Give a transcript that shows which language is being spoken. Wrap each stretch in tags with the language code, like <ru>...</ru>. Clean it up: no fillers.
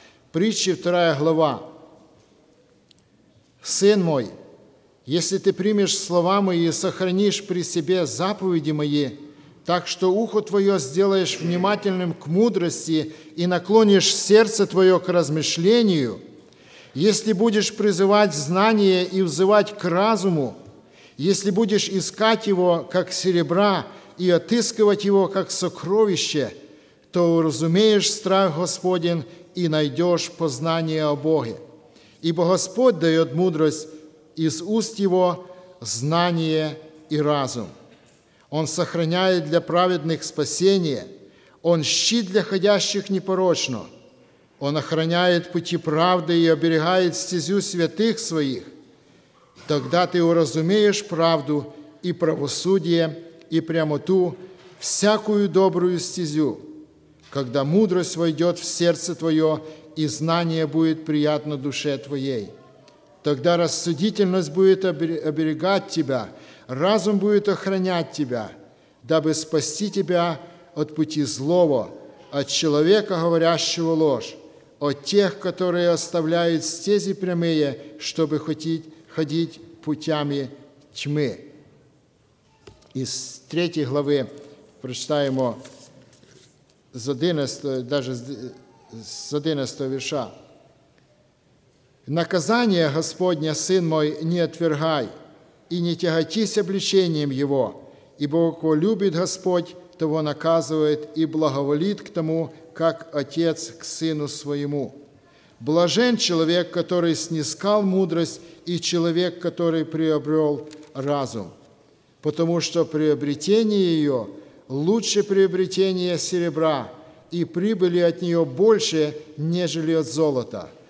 <uk>Притчі, 2 глава. Син мой, якщо ти приміш слова мої і сохраніш при себе заповіді мої, так що ухо твоє зробиш внимательним к мудрості і наклоніш серце твоє к розміщленню, якщо будеш призивати знання і взивати к разуму, якщо будеш искать його, як серебра, і отискувати його, як сокровище, то розумієш страх Господень</uk> <ru>и найдешь познание о Боге. Ибо Господь дает мудрость из уст Его знание и разум. Он сохраняет для праведных спасение, Он щит для ходящих непорочно, Он охраняет пути правды и оберегает стезю святых своих. Тогда ты уразумеешь правду и правосудие, и прямоту, всякую добрую стезю, когда мудрость войдет в сердце твое, и знание будет приятно душе твоей. Тогда рассудительность будет оберегать тебя, разум будет охранять тебя, дабы спасти тебя от пути злого, от человека, говорящего ложь, от тех, которые оставляют стези прямые, чтобы ходить путями тьмы».</ru> <uk>Из 3 главы прочитаємо з 11 вірша.</uk> <ru>«Наказание Господня, Сын мой, не отвергай, и не тяготись обличением Его, ибо кого любит Господь, того наказывает и благоволит к тому, как Отец к Сыну Своему. Блажен человек, который снискал мудрость, и человек, который приобрел разум, потому что приобретение ее лучше приобретения серебра, и прибыли от нее больше, нежели от золота.</ru>